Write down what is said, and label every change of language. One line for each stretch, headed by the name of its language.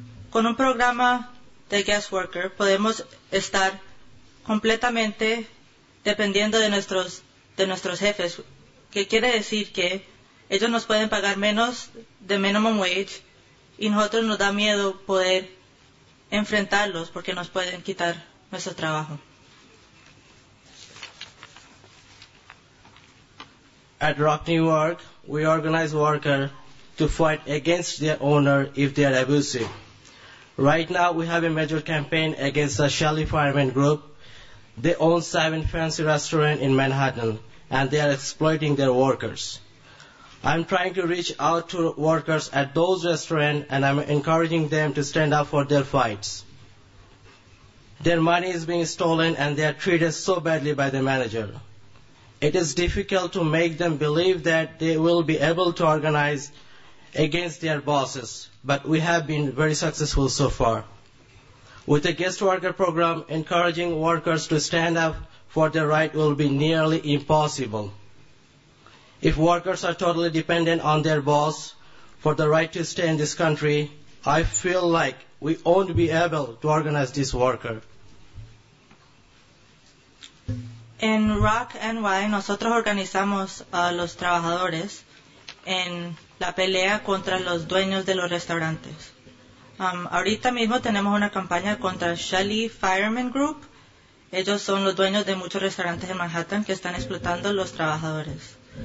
Spanish: Con un programa de guest worker podemos estar completamente dependiendo de nuestros jefes, que quiere decir que ellos nos pueden pagar menos de minimum wage y nosotros nos da miedo poder enfrentarlos porque nos pueden quitar nuestro trabajo.
English: At Rock New York, we organize workers to fight against their owner if they are abusive. Right now, we have a major campaign against the Shelly Fireman Group. They own 7 fancy restaurants in Manhattan, and they are exploiting their workers. I'm trying to reach out to workers at those restaurants, and I'm encouraging them to stand up for their fights. Their money is being stolen, and they are treated so badly by the manager. It is difficult to make them believe that they will be able to organize against their bosses, but we have been very successful so far. With a guest worker program, encouraging workers to stand up for their right will be nearly impossible. If workers are totally dependent on their boss for the right to stay in this country, I feel like we won't be able to organize this worker.
Spanish: En Rock NY, nosotros organizamos a los trabajadores en la pelea contra los dueños de los restaurantes. Ahorita mismo tenemos una campaña contra Shelly Fireman Group. Ellos son los dueños de muchos restaurantes en Manhattan que están explotando a los trabajadores.